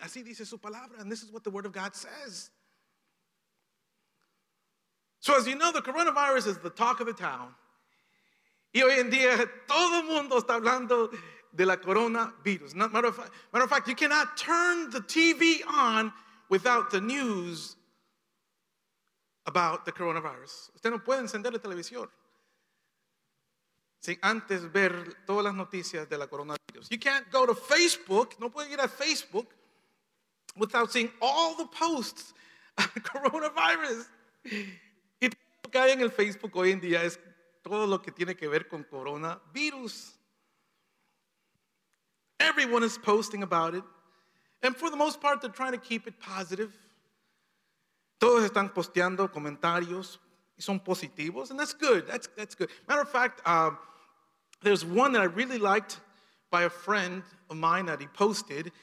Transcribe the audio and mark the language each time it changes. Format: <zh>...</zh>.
<es>Así dice su palabra,</es> <en>and this is what the Word of God says. So as you know, the coronavirus is the talk of the town.</en> <es>Y hoy en día, todo el mundo está hablando de la coronavirus.</es> <en>Matter of fact, you cannot turn the TV on without the news about the coronavirus.</en> <es>Usted no puede encender la televisión sin antes ver todas las noticias de la coronavirus.</es> <en>You can't go to Facebook,</en> <es>no puede ir a Facebook</es> <en>without seeing all the posts on coronavirus.</en> <es>Y todo lo que hay en el Facebook hoy en día es todo lo que tiene que ver con coronavirus.</es> <en>Everyone is posting about it, and for the most part, they're trying to keep it positive.</en> <es>Todos están posteando comentarios y son positivos,</es> <en>and that's good. That's good. Matter of fact, there's one that I really liked by a friend of mine that he posted.</en>